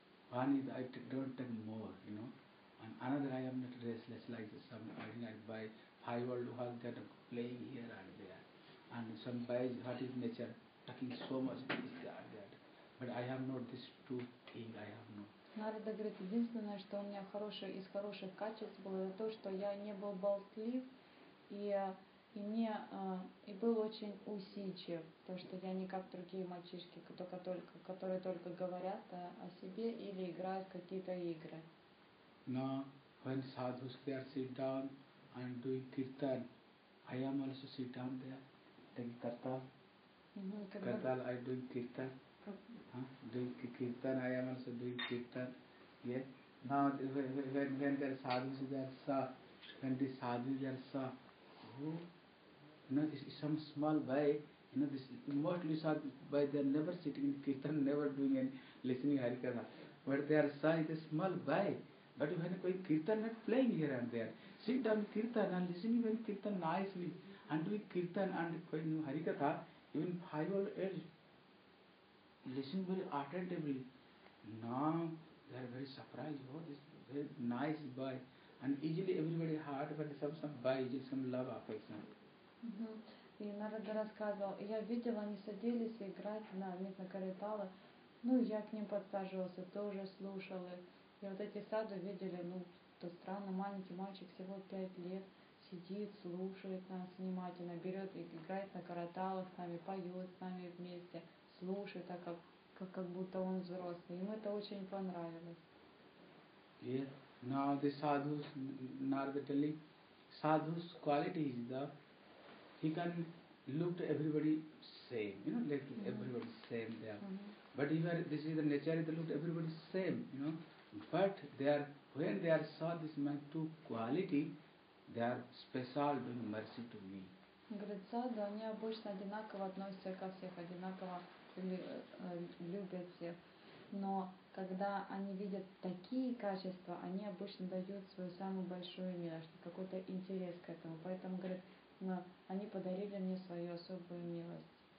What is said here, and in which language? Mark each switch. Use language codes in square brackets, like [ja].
[en] One is I don't take more, you know. And another, I am not restless like some ordinary boy. I world who are that playing here and there. And some boys, what is nature, talking so much this and that. But I have not these two things, I have not. [ru] Narada говорит, единственное, что у меня хорошее из хороших качеств было, это то, что я не был болтлив и был очень усидчив. То, что я не как другие мальчишки, которые только говорят о себе или играют в какие-то игры. [en] No, when sadhus there sit down, I'm doing kirtan. I am also sit down there. Then kartal. Kartal, I'm doing kirtan. Doing kirtan, I am also doing kirtan. Yeah. Now, when the sadhus are saw, when the sadhus are saw, who? You know, this is some small boy. You know, this mostly sadhus boy, they're never sitting in kirtan, never doing any listening harikatha. But they are saw, it's a small boy. But when going kirtan, not playing here and there. Sit down kirtan and listening when kirtan nicely and doing kirtan and going harikatha, even 5-year-old listen very attentively. Now they are very surprised. Oh, this very nice boy. And easily everybody heard, but some boy is some love affection. [ru] И Нарада рассказывал, я видел, они садились играть на них на каритала. Ну, я к ним подсаживался, тоже слушал их. И вот эти саду видели, ну, то странно, маленький мальчик всего 5 лет сидит, слушает нас внимательно, берет и играет на караталах с нами, поет с нами вместе, слушает, так как будто он взрослый. Им это очень понравилось. [en] Yeah. Now the sadhus, Narada telling, sadhus quality is the, he can look to everybody same, you know, like everybody same there. But even this is the nature, they look to everybody same, you know. But when they are saw this my two quality, they are special doing mercy to me. [ru] Говорит, саду, они обычно одинаково относятся ко всех, одинаково любят всех. Но когда они видят такие качества, они обычно дают свою самую большую милость, какой-то интерес к этому. Поэтому, говорит, они подарили мне свою особую милость.